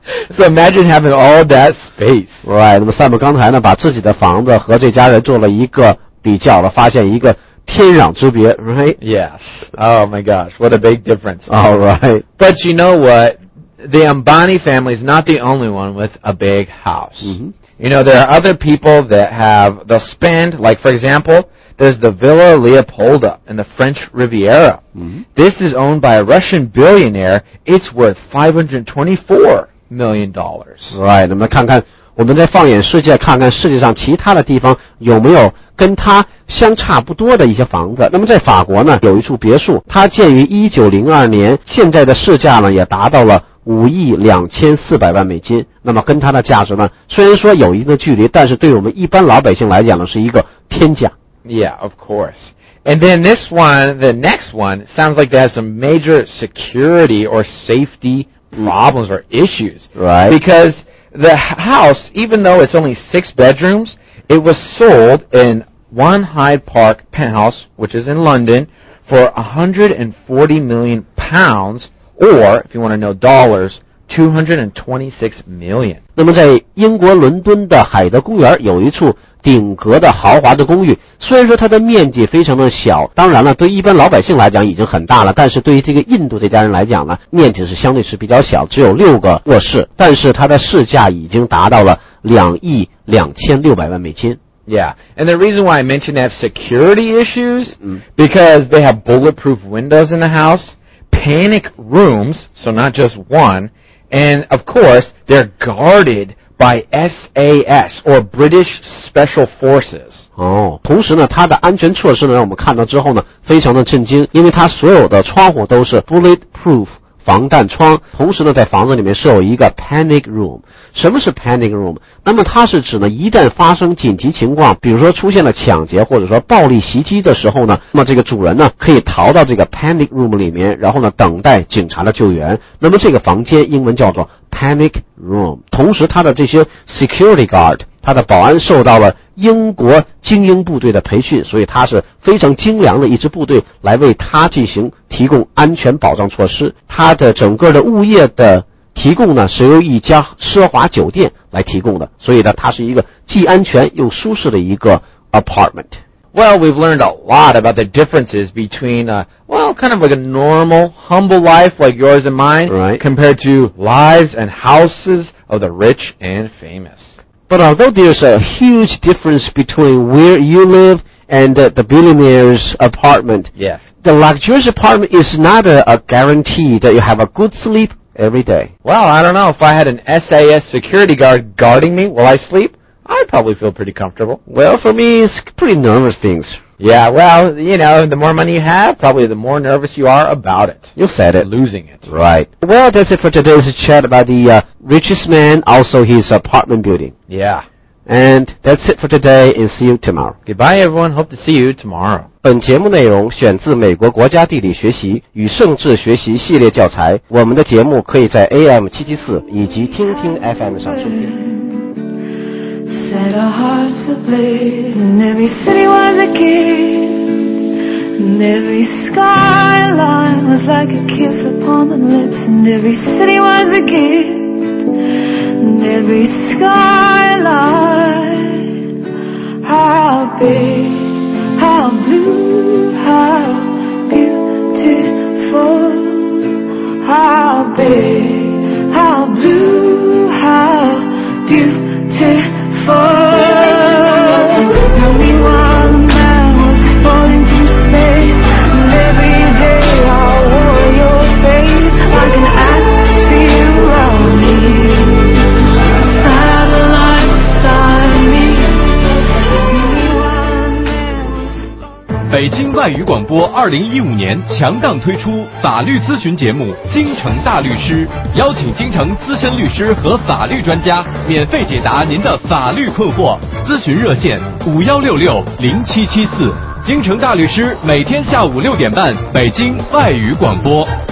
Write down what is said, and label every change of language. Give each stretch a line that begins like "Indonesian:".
English: So imagine having all that space. Right.
Chinese: 那么Sam刚才呢，把自己的房子和这家人做了一个比较了，发现一个天壤之别，
English: right? Yes. Oh my gosh, what a big difference. All right. But you know what? The Ambani family is not the only one with a big house. Mm-hmm. You know, there are other people that have, they'll spend, like for example, there's the Villa Leopolda in the French Riviera. Mm-hmm. This is owned by a Russian billionaire. It's worth $524 million. Right,
Chinese: 那么看看我们再放眼世界，看看世界上其他的地方有没有跟它相差不多的一些房子。那么在法国呢，有一处别墅，它建于1902年，现在的市价呢也达到了5亿2400万美金。那么跟它的价值呢，虽然说有一定的距离，但是对我们一般老百姓来讲呢，是一个天价。
English: Yeah, of course. And then this one, the next one, sounds like there's some major security or safety problems or issues. Right. Because the house, even though it's only 6 bedrooms, it was sold in One Hyde Park penthouse, which is in London, for £140 million, or, if you want to know dollars, $226 million.
Chinese: 那么在英国伦敦的海德公园有一处顶格的豪华的公寓，虽然说它的面积非常的小，当然了，对一般老百姓来讲已经很大了，但是对于这个印度这家人来讲呢，面积是相对是比较小，只有6个卧室，但是它的市价已经达到了2亿2600万美金。
English: Yeah, and the reason why I mentioned they have security issues, because they have bulletproof windows in the house, panic rooms, so not just one, and of course, they're guarded by SAS, or British Special Forces.
Chinese: 哦，同时呢，它的安全措施呢，让我们看到之后呢，非常的震惊，因为它所有的窗户都是 bulletproof 防弹窗，同时呢，在房子里面设有一个 panic room。什么是 panic room？那么它是指呢，一旦发生紧急情况，比如说出现了抢劫或者说暴力袭击的时候呢，那么这个主人呢可以逃到这个 panic room 里面，然后呢等待警察的救援。那么这个房间英文叫做 panic room。同时，它的这些 security guard， 它的保安受到了英国精英部队的培训，所以它是非常精良的一支部队，来为它进行提供安全保障措施。它的整个的物业的提供呢，是由一家奢华酒店来提供的，所以呢，它是一个既安全又舒适的一个 apartment.
English: Well, we've learned a lot about the differences between, kind of like a normal, humble life like yours and mine, right, compared to lives and houses of the rich and famous. But although there's a huge difference between where you live and the billionaire's apartment, yes, the luxurious apartment is not a guarantee that you have a good sleep every day. Well, I don't know. If I had an SAS security guard guarding me while I sleep, I'd probably feel pretty comfortable. Well, for me, it's pretty nervous things. Yeah, well, you know, the more money you have, probably the more nervous you are about it. You said it. Losing it. Right. Well, that's it for today's chat about the richest man, also his apartment building. Yeah. And that's it for today, and see you tomorrow. Goodbye, everyone. Hope to see you tomorrow.
Chinese: 本节目内容选自美国国家地理学习与政治学习系列教材。我们的节目可以在 AM 774以及听听 FM 上收听。
English: Set our hearts ablaze, and every city was a kid, and every skyline was like a kiss upon the lips, and every city was a kid. And every skyline, how big, how blue, how beautiful. How big, how blue, how beautiful. No, we want mammals falling through space, and every day I'll wear your face like an atmosphere around me.
Chinese: 北京外语广播播2015年强档推出法律咨询节目《京城大律师》，邀请京城资深律师和法律专家免费解答您的法律困惑。咨询热线5166-0774，京城大律师每天下午6:30，北京外语广播。